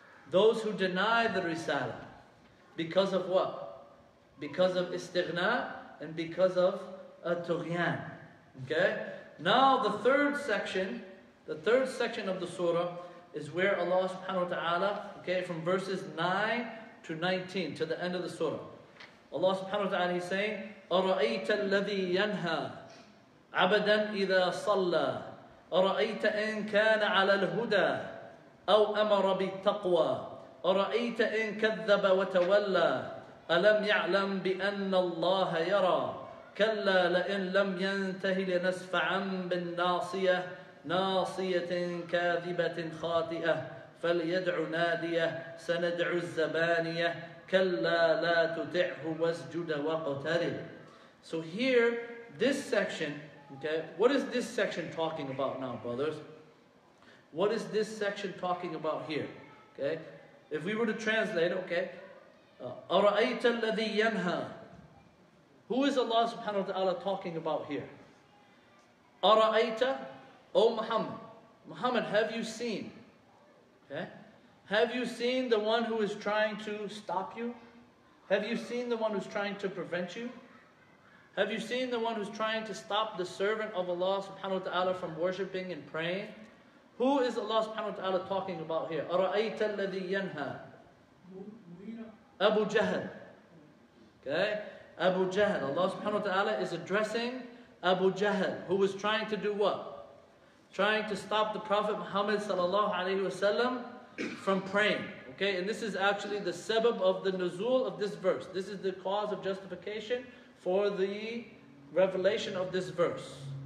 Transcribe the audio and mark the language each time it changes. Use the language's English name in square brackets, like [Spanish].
[English] Those who deny the risalah. Because of what? Because of istighna and because of at-tughyan. Okay? Now the third section of the surah is where Allah subhanahu wa ta'ala, okay, from verses 9 to 19 to the end of the surah. Allah subhanahu wa ta'ala is saying, [Arabic] أَرَأَيْتَ الَّذِي يَنْهَى عَبَدًا إِذَا صَلَّى أَرَأَيْتَ إِنْ كَانَ عَلَى الْهُدَى أَوْ أَمَرَ بِالتَّقْوَى أَرَأَيْتَ إِنْ كَذَّبَ وَتَوَلَّى أَلَمْ يَعْلَمْ بِأَنَّ اللَّهَ يَرَى كَلَّا لَئِنْ لَمْ يَنْتَهِ لِنَسْفَعًا بِالنَّاصِيَةِ ناصية كاذبة خاطئة فليدع نادية سندع الزبانية كلا لا تطعه واسجد واقترب. [English] So here, this section, okay, what is this section talking about now, brothers? What is this section talking about here? Okay, if we were to translate, okay, [Arabic] أرأيت الذي ينهى. [English] Who is Allah subhanahu wa ta'ala talking about here? أرأيت, O Muhammad, have you seen? Okay? Have you seen the one who is trying to stop you? Have you seen the one who's trying to prevent you? Have you seen the one who's trying to stop the servant of Allah subhanahu wa ta'ala from worshipping and praying? Who is Allah subhanahu wa ta'ala talking about here? [Arabic] أَرَأَيْتَ الَّذِي يَنْهَى Abu Jahl. [English] Okay? Abu Jahl. Allah subhanahu wa ta'ala is addressing Abu Jahl, who was trying to do what? Trying to stop the Prophet Muhammad sallallahu alaihi wasallam from praying. Okay, and this is actually the sebab of the nuzul of this verse. This is the cause of justification for the revelation of this verse.